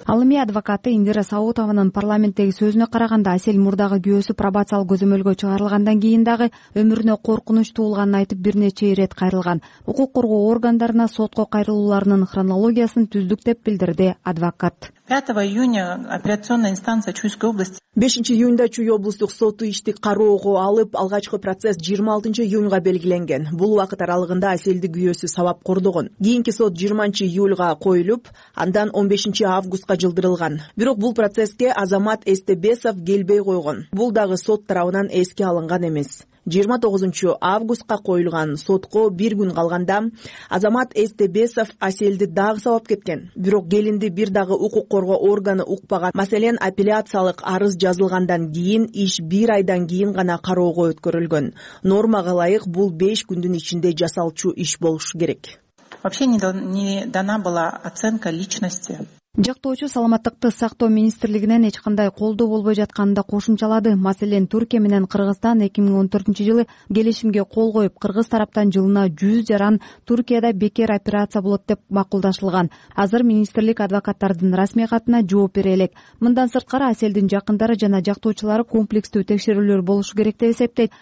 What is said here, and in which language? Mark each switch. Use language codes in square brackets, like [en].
[ky] Ал эми адвокаты Индира Саутованын парламенттеги сөзүнө караганда, Асел мурдагы күйөөсү пробациялык көзөмөлгө чыгарылгандан кийин дагы өмүрүнө коркунуч туулганын айтып, бир нече ирет кайрылган. укук коргоо органдарына сотко кайрылууларынын хронологиясын түздүк деп билдирди адвокат. [ru] 5 июня апелляционная инстанция Чуйской области. [ky] 5 июнда Чуй облустук соту ишти кароого алып, алгачкы процесс 26 июнга белгиленген. Бул убакыт аралыгында Асилди күйөөсү сабап кордогон. Кийинки сот 20 июлга коюлуп, андан 15 августка жылдырылган. Бирок бул процесске Азамат Эстебесов келбей койгон. Бул дагы сот тарабынан эске алынган эмес. 29 августка коюлган сотко бир күн калганда Азамат Эстебесов Асилди дагы сабап кеткен. Бирок келинди бир дагы укук коргоо органы укпаган. Маселен, апелляциялык арыз жазылгандан кийин иш бир айдан кийин гана кароого өткөрүлгөн. Нормага ылайык бул 5 күндүн ичинде жасалчу иш болушу керек. [ru] Вообще не дана была оценка личности. [ky] Жактоочу саламаттыкты сактоо министрлигинен эч кандай колдоо болбой жатканын да кошумчалады. Маселен, Түркия менен Кыргызстан 2014 жылы келишимге кол коюп, кыргыз тараптан жылына 100 жаран Түркияда бекер операция болот деп макулдашылган. Азыр министрлик адвокаттардын расмий катына жооп бере элек. Мындан сырткары Аселдин жакындары жана жактоочулары комплекстүү текшерүүлөр болушу керек деп эсептейт.